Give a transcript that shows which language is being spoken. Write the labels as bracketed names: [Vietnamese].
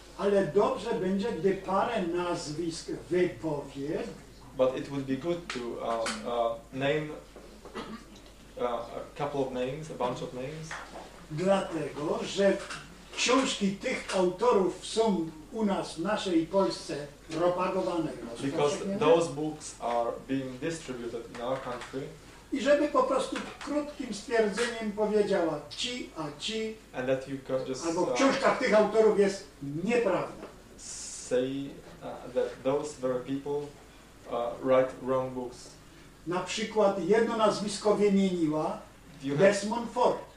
[Polish] Ale dobrze będzie, gdy parę nazwisk wypowie. [English] But it would be good to name a couple of names, a bunch of names. [Polish] Dlatego, że książki tych autorów są u nas, w naszej Polsce, propagowane. [English] Because those books are being distributed in our country. [Polish] I żeby po prostu krótkim stwierdzeniem powiedziała ci, a ci, [English] and that you could just, [Polish] albo książka tych autorów jest nieprawda. [English] Say that those very people write wrong books. [Polish] Na przykład jedno nazwisko wymieniła, Desmond Ford.